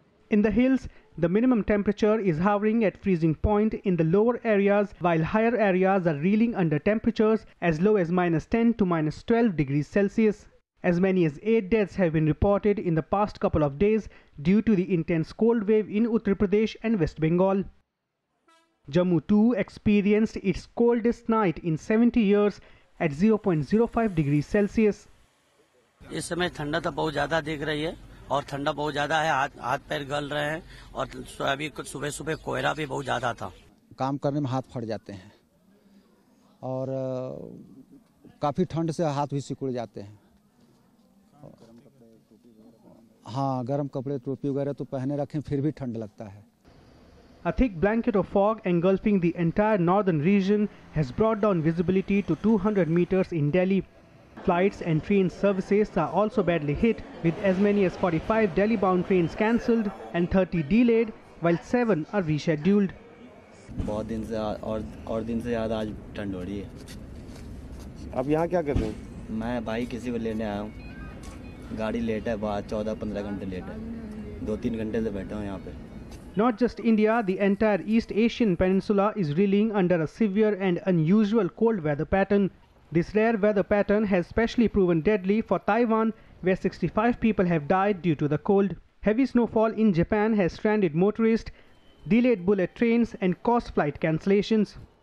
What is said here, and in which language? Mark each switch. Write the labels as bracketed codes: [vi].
[en] In the hills, the minimum temperature is hovering at freezing point in the lower areas, while higher areas are reeling under temperatures as low as minus 10 to minus 12 degrees Celsius. As many as 8 deaths have been reported in the past couple of days due to the intense cold wave in Uttar Pradesh and West Bengal. Jammu too experienced its coldest night in 70 years at 0.05 degrees Celsius. [hi] इस समय ठंडा तो बहुत ज्यादा दिख रही है और ठंडा बहुत ज्यादा है हाथ पैर गल रहे हैं और अभी सुबह-सुबह कोहरा भी बहुत ज्यादा था काम करने में हाथ फट जाते हैं और काफी ठंड से हाथ भी सिकुड़ जाते हैं हां गरम कपड़े टोपी वगैरह तो पहने रखें फिर भी ठंड लगता है [en] A thick blanket of fog engulfing the entire northern region has brought down visibility to 200 meters in Delhi. Flights and train services are also badly hit, with as many as 45 Delhi-bound trains cancelled and 30 delayed, while 7 are rescheduled. [hi] बहुत दिन से और दिन से ज़्यादा आज ठंड हो रही है। अब यहाँ क्या कर रहे हैं? मैं भाई किसी को लेने आया हूँ। गाड़ी लेट है बहुत 14-15 घंटे लेट है। दो-तीन घंटे से बैठा हूँ यहाँ पे। [en] Not just India, the entire East Asian peninsula is reeling under a severe and unusual cold weather pattern. This rare weather pattern has specially proven deadly for Taiwan, where 65 people have died due to the cold. Heavy snowfall in Japan has stranded motorists, delayed bullet trains and caused flight cancellations.